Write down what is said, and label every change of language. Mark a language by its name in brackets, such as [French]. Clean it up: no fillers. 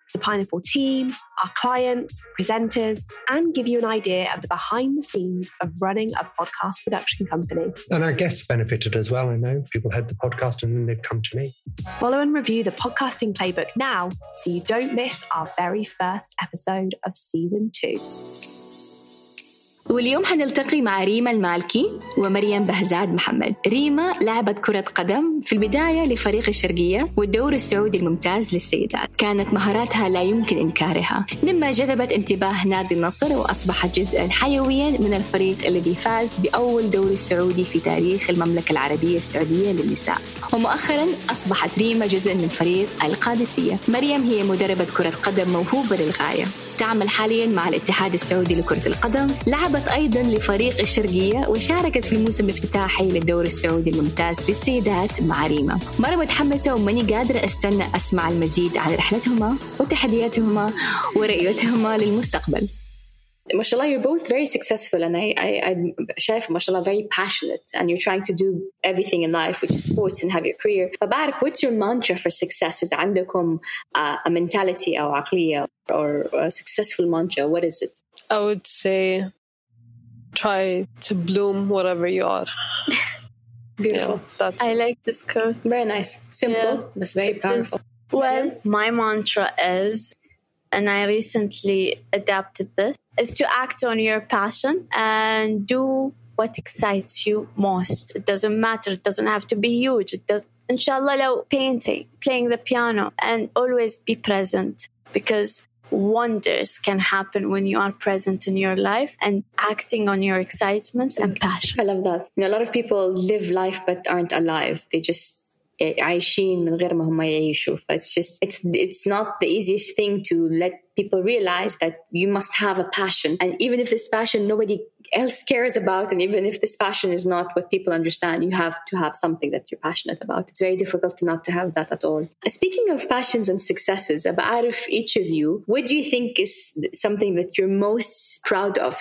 [English] The Pineapple team, our clients, presenters, and give you an idea of the behind the scenes of running a podcast production company. And our guests benefited as well. I know people heard the podcast and then they'd come to me. Follow and review the podcasting playbook now so you don't miss our very first episode of season two. [Arabic] واليوم حنلتقي مع ريما المالكي ومريم بهزاد محمد. ريما لعبت كرة قدم في البداية لفريق الشرقية والدور السعودي الممتاز للسيدات. كانت مهاراتها لا يمكن إنكارها، مما جذبت انتباه نادي النصر وأصبحت جزءا حيويا من الفريق الذي فاز بأول دوري سعودي في تاريخ المملكة العربية السعودية للنساء. ومؤخرا أصبحت ريما جزءا من فريق القادسية. مريم هي مدربة كرة قدم موهوبة للغاية، تعمل حاليا مع الاتحاد السعودي لكرة القدم، لعبت أيضا لفريق الشرقية وشاركت في الموسم الافتتاحي للدور السعودي الممتاز للسيدات مع ريما. مرة متحمسة ومني قادرة أستنى أسمع المزيد عن رحلتهما وتحدياتهما ورؤيتهما للمستقبل. [English] ما شاء الله you're both very successful and I [Arabic] شايف ما شاء الله [English] very passionate and you're trying to do everything in life which is sports and have your career. [Arabic] فبعرف [English] what's your mantra for success? Is [Arabic] عندكم [English] a mentality [Arabic] أو عقلية [English] or a successful mantra? What is it? I would say try to bloom whatever you are. Beautiful. Yeah, that's I like this quote. Very nice. Simple. Yeah. That's very powerful. Well, my mantra is, and I recently adapted this, is to act on your passion and do what excites you most. It doesn't matter. It doesn't have to be huge. It does, inshallah, [Arabic] لو [English] painting, playing the piano, and always be present because wonders can happen when you are present in your life and acting on your excitements and passion. I love that. You know, a lot of people live life but aren't alive. They just [Arabic] عايشين من غير ما هم يعيشوا. [English] It's not the easiest thing to let people realize that you must have a passion. And even if this passion nobody else cares about, and even if this passion is not what people understand, you have to have something that you're passionate about. It's very difficult to not to have that at all. Speaking of passions and successes, out of each of you, what do you think is something that you're most proud of?